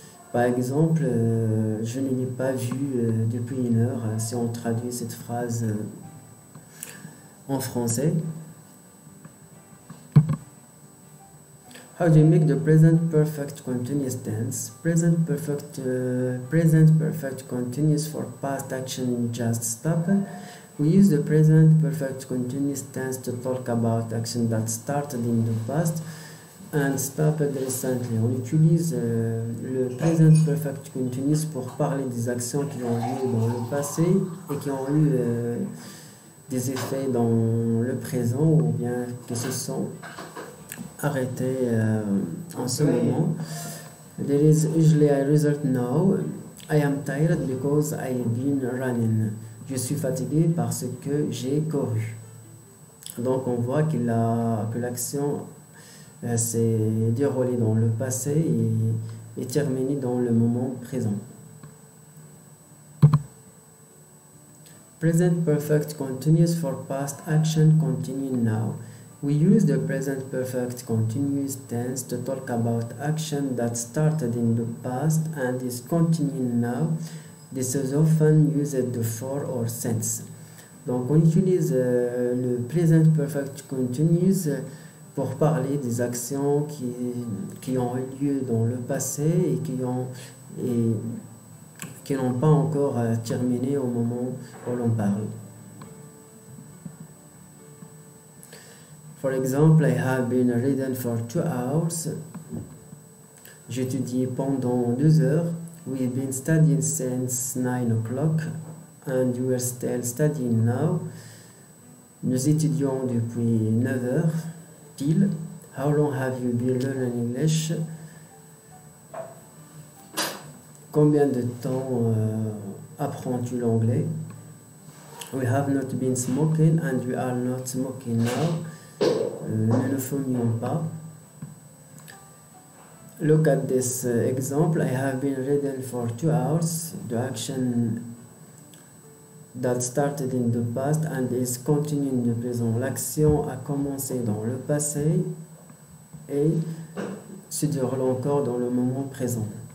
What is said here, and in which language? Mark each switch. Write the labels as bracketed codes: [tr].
[fr] Par exemple, je ne l'ai pas vu depuis 1 heure, si on traduit cette phrase en français. [en] How do you make the present perfect continuous tense? Present perfect continuous for past action just stop. We use the present perfect continuous tense to talk about action that started in the past and stopped recently. [fr] On utilise le present perfect continuous pour parler des actions qui ont eu dans le passé et qui ont eu des effets dans le présent ou bien qui se sont arrêtés en ce moment. [en] There is usually a result now. I am tired because I've been running. [fr] Je suis fatigué parce que j'ai couru. Donc on voit que l'action s'est déroulée dans le passé et terminée dans le moment présent. [en] Present perfect continuous for past action continue now. We use the present perfect continuous tense to talk about action that started in the past and is continuing now. This is often used for or since. [fr] Donc on utilise le present perfect continuous pour parler des actions qui ont eu lieu dans le passé et qui n'ont pas encore terminé au moment où l'on parle. [en] For example, I have been reading for 2 hours. [fr] J'étudie pendant 2 heures. [en] We have been studying since 9 o'clock and we are still studying now. [fr] Nous étudions depuis 9 heures pile. [en] How long have you been learning English? [fr] Combien de temps apprends-tu l'anglais? [en] We have not been smoking and we are not smoking now. [fr] Nous ne fumions pas. [en] Look at this example. I have been reading for 2 hours. The action that started in the past and is continuing in the present. [fr] L'action a commencé dans le passé et se déroule encore dans le moment présent.